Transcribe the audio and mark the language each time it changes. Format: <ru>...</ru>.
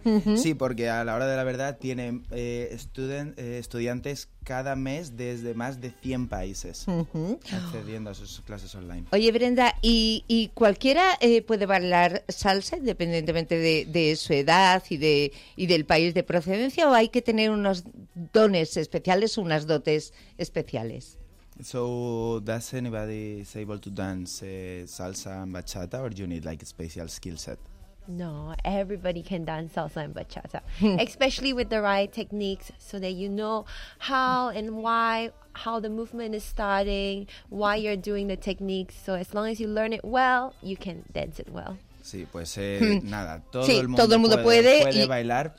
<es>Sí, porque a la hora de la verdad tienen estudiantes cada mes desde más de 100 países accediendo a sus clases online. Oye, Brenda, ¿y cualquiera puede bailar salsa independientemente de su edad y del país de procedencia, o hay que tener unos dones especiales o unas dotes especiales?</es> <en>So, does anybody is able to dance salsa and bachata, or do you need like a special skill set? No, everybody can dance salsa and bachata, especially with the right techniques, so that you know how and why, how the movement is starting, why you're doing the techniques. So as long as you learn it well, you can dance it well.</en> <es>Sí, pues nada, todo el mundo puede bailar.</es>